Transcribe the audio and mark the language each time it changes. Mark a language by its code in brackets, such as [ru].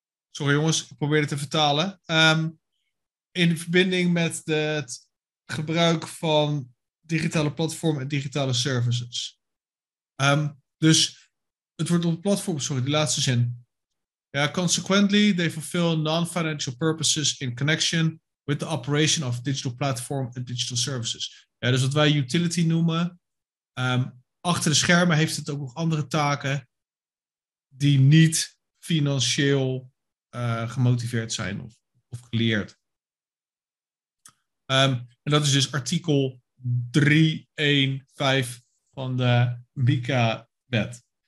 [nl] Sorry jongens, ik probeer het te vertalen. In verbinding met het gebruik van digitale platformen en digitale services. Dus het wordt op het platform, sorry, die laatste zin. [en] Ja, consequently, they fulfill non-financial purposes in connection with the operation of digital platform and digital services. [nl] Ja, dus wat wij utility noemen. Achter de schermen heeft het ook nog andere taken die niet financieel gemotiveerd zijn of geleerd. En dat is dus artikel 315 van de MiCA-wet.